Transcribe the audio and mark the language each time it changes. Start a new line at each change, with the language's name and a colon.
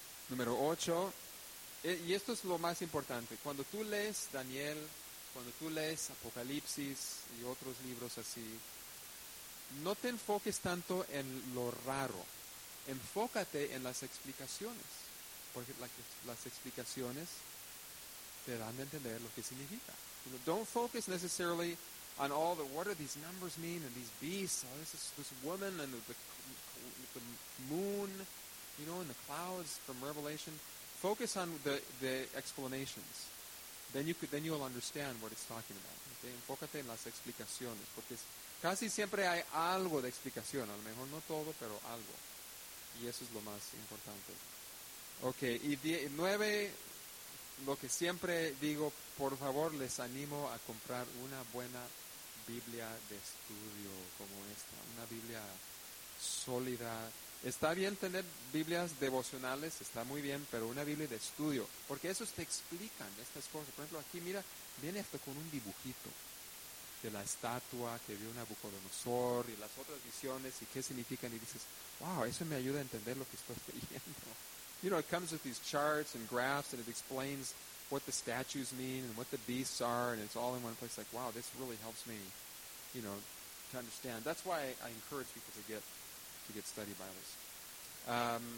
Spanish: Número 8, y esto es lo más importante, cuando tú lees Daniel, cuando tú lees Apocalipsis y otros libros así, no te enfoques tanto en lo raro, enfócate en las explicaciones, porque las explicaciones te dan de entender lo que significa.
English: You know, don't focus necessarily on all the, what do these numbers mean, and these beasts, oh, this woman, and the moon, you know, and the clouds from Revelation. Focus on the explanations. Then you'll understand what it's talking about. Okay?
Spanish: Enfócate en las explicaciones, porque casi siempre hay algo de explicación, a lo mejor no todo, pero algo. Y eso es lo más importante. Okay, y 9... Lo que siempre digo, por favor, les animo a comprar una buena Biblia de estudio como esta, una Biblia sólida. Está bien tener Biblias devocionales, está muy bien, pero una Biblia de estudio, porque esos te explican estas cosas. Por ejemplo, aquí, mira, viene hasta con un dibujito de la estatua que vio Nabucodonosor y las otras visiones y qué significan. Y dices, wow, eso me ayuda a entender lo que estoy leyendo.
English: You know, it comes with these charts and graphs, and it explains what the statues mean and what the beasts are, and it's all in one place. Like, wow, this really helps me, you know, to understand. That's why I encourage people to get study Bibles.